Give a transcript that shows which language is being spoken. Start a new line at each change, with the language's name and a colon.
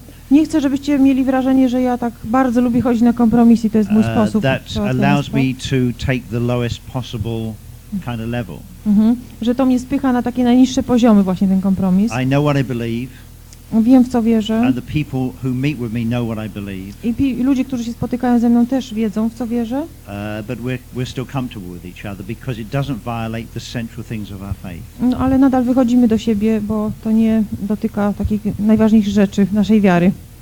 Polish: Nie chcę, żebyście mieli wrażenie, że ja tak bardzo lubię chodzić na kompromisy, to jest mój sposób.
English: That allows me to take the lowest possible kind of level.
Polish: Że to mnie spycha na takie najniższe poziomy, właśnie ten kompromis.
English: I know what I believe.
Polish: Wiem, w co wierzę.
English: And the people who meet with me know what I believe.
Polish: I ludzie, którzy się spotykają ze mną, też wiedzą, w co wierzę.
English: But we're still comfortable with each other because it doesn't violate the central things of our faith.
Polish: No, ale nadal wychodzimy do siebie, bo to nie dotyka takich najważniejszych rzeczy naszej wiary.